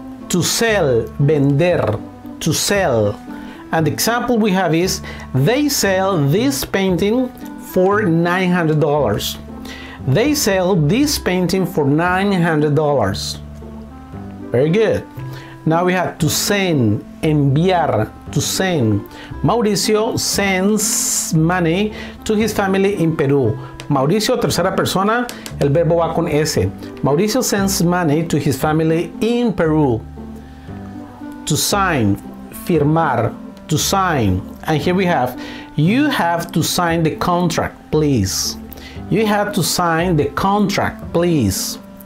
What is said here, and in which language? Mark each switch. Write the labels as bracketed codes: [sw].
[en] To sell, vender, to sell. And the example we have is, they sell this painting for $900. They sell this painting for $900. Very good. Now we have to send, enviar, to send. Mauricio sends money to his family in Peru. [es] Mauricio, tercera persona, el verbo va con S. [en] Mauricio sends money to his family in Peru. To sign, firmar, to sign. And here we have, you have to sign the contract, please. You have to sign the contract, please.